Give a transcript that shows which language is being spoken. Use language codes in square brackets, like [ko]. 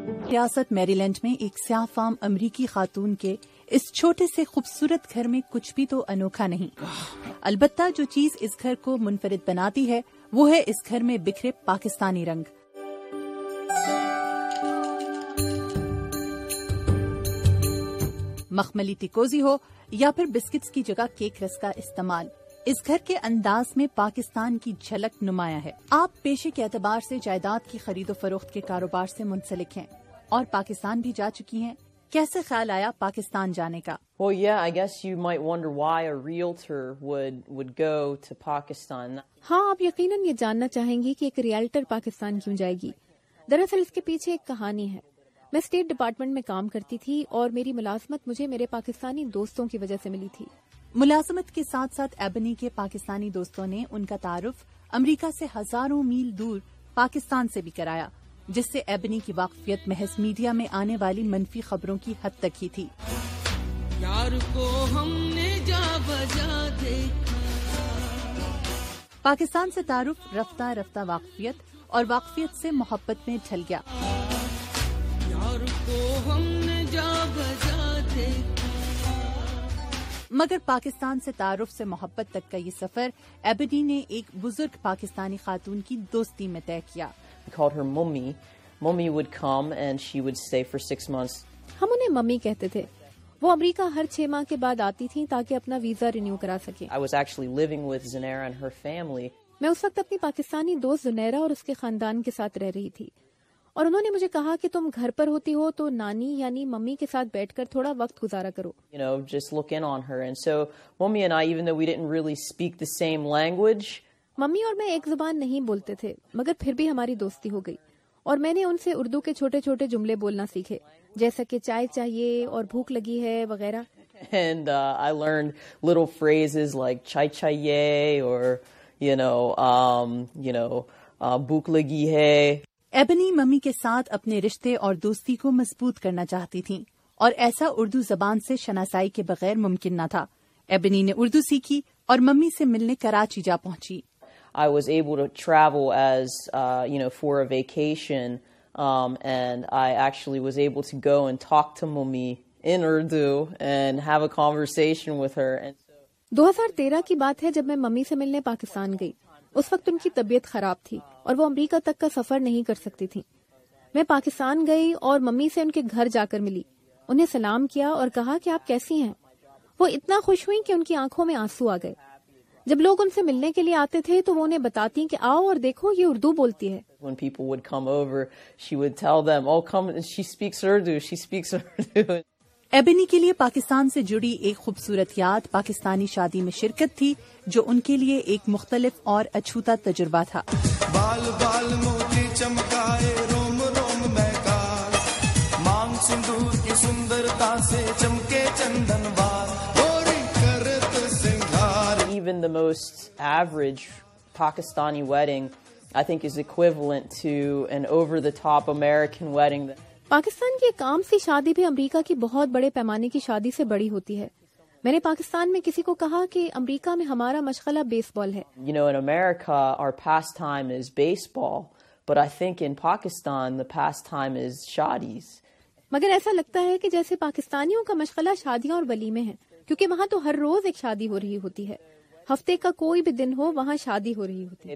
[ur] ریاست میری لینڈ میں ایک سیاہ فام امریکی خاتون کے اس چھوٹے سے خوبصورت گھر میں کچھ بھی تو انوکھا نہیں۔ البتہ جو چیز اس گھر کو منفرد بناتی ہے وہ ہے اس گھر میں بکھرے پاکستانی رنگ۔ مخملی تکوزی ہو یا پھر بسکٹس کی جگہ کیک رس کا استعمال، اس گھر کے انداز میں پاکستان کی جھلک نمایاں ہے۔ آپ پیشے کے اعتبار سے جائیداد کی خرید و فروخت کے کاروبار سے منسلک ہیں اور پاکستان بھی جا چکی ہیں، کیسے خیال آیا پاکستان جانے کا؟ [en] Well, yeah, I guess you might wonder why a realtor would go to Pakistan. [ur] ہاں، آپ یقیناً یہ جاننا چاہیں گی کہ ایک ریئلٹر پاکستان کیوں جائے گی۔ دراصل اس کے پیچھے ایک کہانی ہے۔ میں اسٹیٹ ڈپارٹمنٹ میں کام کرتی تھی اور میری ملازمت مجھے میرے پاکستانی دوستوں کی وجہ سے ملی تھی۔ ملازمت کے ساتھ ساتھ ایبنی کے پاکستانی دوستوں نے ان کا تعارف امریکہ سے ہزاروں میل دور پاکستان سے بھی کرایا، جس سے ایبنی کی واقفیت محض میڈیا میں آنے والی منفی خبروں کی حد تک ہی تھی۔ پاکستان سے تعارف رفتہ رفتہ واقفیت اور واقفیت سے محبت میں ڈھل گیا۔ مگر پاکستان سے تعارف سے محبت تک کا یہ سفر ایبنی نے ایک بزرگ پاکستانی خاتون کی دوستی میں طے کیا۔ [en] We called her mummy. Mummy would come and she would stay for 6 months. [ur] ہم انہیں ممی کہتے تھے۔ وہ امریکہ ہر 6 ماہ کے بعد آتی تھیں تاکہ اپنا ویزا رینیو کرا سکیں۔ [en] I was actually living with Zunaira and her family. [ur] میں اس وقت اپنی پاکستانی دوست زنیرا اور اس کے خاندان کے ساتھ رہ رہی تھی، اور انہوں نے مجھے کہا کہ تم گھر پر ہوتی ہو تو نانی یعنی ممی کے ساتھ بیٹھ کر تھوڑا وقت گزارا کرو۔ [en] You know, just look in on her. And so, mummy and I, even though we didn't really speak the same language, [ur] mummy اور میں ایک زبان نہیں بولتے تھے، مگر پھر بھی ہماری دوستی ہو گئی اور میں نے ان سے اردو کے چھوٹے چھوٹے جملے بولنا سیکھے، جیسا کہ چائے چاہیے اور بھوک لگی ہے وغیرہ۔ [en] And I learned little phrases like [ur] chai chahiye [en] or [ur] bhook lagi hai. ایبنی mummy کے ساتھ اپنے رشتے اور دوستی کو مضبوط کرنا چاہتی تھیں، اور ایسا اردو زبان سے شناسائی کے بغیر ممکن نہ تھا۔ ایبنی نے اردو سیکھی اور ممی سے ملنے کراچی جا پہنچی۔ [en] I was able to travel as for a vacation and I actually was able to go and talk to mummy in Urdu and have a conversation with her. [ur] 2013 کی بات ہے جب میں ممی سے ملنے پاکستان گئی۔ اس وقت ان کی طبیعت خراب تھی اور وہ امریکہ تک کا سفر نہیں کر سکتی تھیں۔ میں پاکستان گئی اور ممی سے ان کے گھر جا کر ملی، انہیں سلام کیا اور کہا کہ آپ کیسی ہیں۔ وہ اتنا خوش ہوئی کہ ان کی آنکھوں میں آنسو آ گئے۔ جب لوگ ان سے ملنے کے لیے آتے تھے تو وہ انہیں بتاتی کہ آؤ اور دیکھو یہ اردو بولتی ہے۔ [en] When people would come over, she would tell them, "Oh, come, she speaks Urdu, she speaks Urdu." [ur] ایبنی کے لیے پاکستان سے جڑی ایک خوبصورت یاد پاکستانی شادی میں شرکت تھی، جو ان کے لیے ایک مختلف اور اچھوتا تجربہ تھا۔ بال بال موتی چمکائے روم روم میں کار، مانگ سندور کی سندرتا سے چمکے چندن بار، گوری کرت سنگھار۔ [en] Even the most average Pakistani wedding, I think, is equivalent to an over-the-top American wedding. [ur] Pakistan کی ایک عام سی شادی بھی امریکہ کی بہت بڑے پیمانے کی شادی سے بڑی ہوتی ہے۔ میں نے پاکستان میں کسی کو کہا کہ امریکہ میں ہمارا مشغلہ بیس بال ہے۔ [en] You know, in America, our pastime is baseball, but I think in Pakistan, the pastime is shadis. [ur] مگر ایسا لگتا ہے کہ جیسے پاکستانیوں کا مشغلہ شادیاں اور ولیمے ہیں، کیونکہ وہاں تو ہر روز ایک شادی ہو رہی ہوتی ہے۔ ہفتے کا کوئی بھی دن ہو، وہاں شادی ہو رہی ہوتی ہے۔